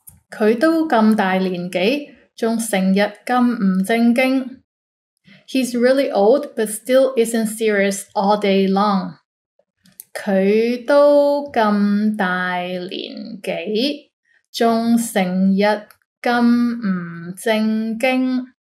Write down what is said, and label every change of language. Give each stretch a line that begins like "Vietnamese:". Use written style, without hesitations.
Cantonese: 佢都咁大年纪，仲成日咁唔正经。
English: He's really old, but still isn't serious all day long.
Cantonese: 佢都咁大年纪，仲成日咁唔正经。